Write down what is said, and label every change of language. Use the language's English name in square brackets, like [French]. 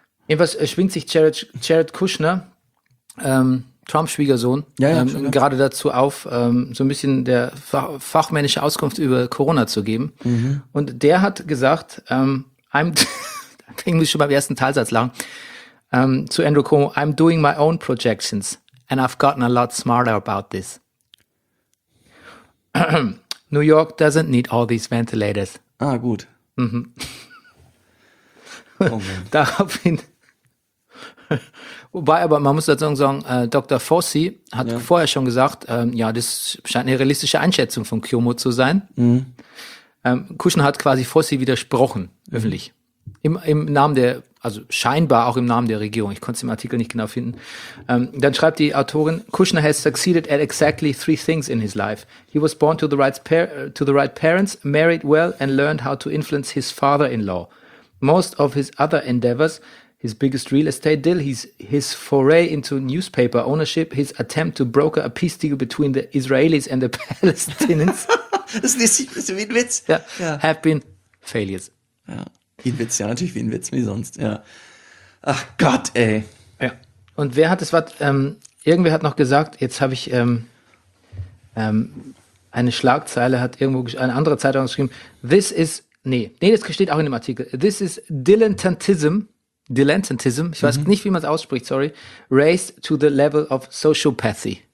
[German] Jedenfalls schwingt sich Jared Kushner, Trumps Schwiegersohn, gerade dazu auf, so ein bisschen der fachmännische Auskunft über Corona zu geben. Mhm. Und der hat gesagt, da muss ich schon beim ersten Teilsatz lachen, zu [English] Andrew Cuomo, I'm doing my own projections and I've gotten a lot smarter about this. New York doesn't need all these ventilators. [German] Ah, gut. Daraufhin. Wobei, aber man muss dazu sagen, Dr. Fossey hat ja vorher schon gesagt, ja, das scheint eine realistische Einschätzung von Cuomo zu sein. Mhm. Kushner hat quasi Fossey widersprochen, öffentlich. Im Namen der, also scheinbar auch im Namen der Regierung. Ich konnte es im Artikel nicht genau finden. Dann schreibt die Autorin, [English] Kushner has succeeded at exactly three things in his life. He was born to the right parents, married well and learned how to influence his father-in-law. Most of his other endeavors, his biggest real estate deal, his foray into newspaper ownership, his attempt to broker a peace deal between the Israelis and the Palestinians. [German] Das ist ein bisschen wie ein Witz. [English] Ja, have been failures. [German] Ja, wie ein Witz, ja, natürlich wie ein Witz, wie sonst, ja. Ach Gott, ey. Ja, und wer hat es, was, irgendwer hat noch gesagt, jetzt habe ich eine Schlagzeile, hat irgendwo eine andere Zeitung geschrieben, [English] this is, [German] nee, das steht auch in dem Artikel, [English] this is Dilettantism, [German] ich weiß nicht, wie man es ausspricht, [English] sorry, raised to the level of sociopathy.